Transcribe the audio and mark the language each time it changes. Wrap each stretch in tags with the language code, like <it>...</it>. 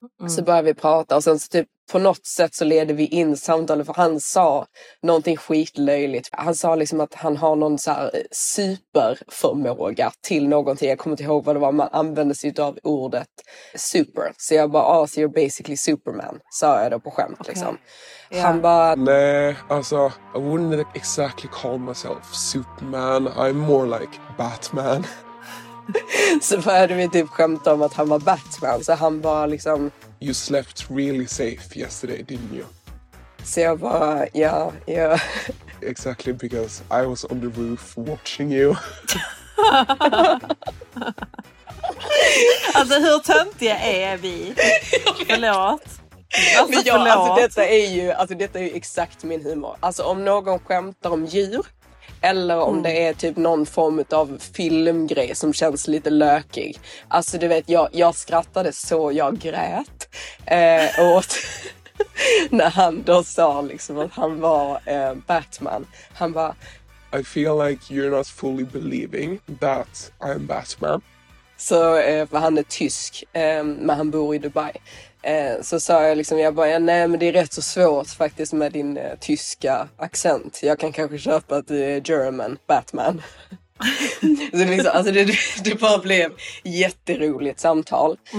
<sv>Så började vi prata och sen så typ på något sätt så ledde vi in samtalet, för han sa någonting skitlöjligt. Han sa liksom att han har någon så här superförmåga till någonting. Jag kommer inte ihåg vad det var, man använde sig av ordet super. Så jag bara,</sv> <en>oh, so you're basically Superman,</en> <sv>sa jag då på skämt. Okay. Liksom. Yeah. Han bara, nej, alltså,</sv> <en>I wouldn't exactly call myself Superman, I'm more like Batman.</en> <sv>Så började vi typ skämta om att han var Batman. Så han bara liksom,</sv> <en>you slept really safe yesterday, didn't you?</en> <sv>Så jag bara, ja, ja.</sv> <en>Exactly, because I was on the roof watching you.</en> <sv>Alltså hur töntiga är vi? Förlåt. Alltså detta är ju, alltså detta är ju exakt min humor. Alltså om någon skämtar om djur eller om det är typ någon form av filmgrej som känns lite lökig. Alltså du vet, jag skrattade så jag grät åt när han då sa liksom att han var Batman. Han bara,</sv> <en>I feel like you're not fully believing that I'm Batman.</en> <sv>Så för han är tysk, men han bor i Dubai. Så sa jag liksom, jag bara, nej men det är rätt så svårt faktiskt med din tyska accent. Jag kan kanske köpa att du är German Batman. Så liksom, alltså det bara blev jätteroligt samtal.</sv>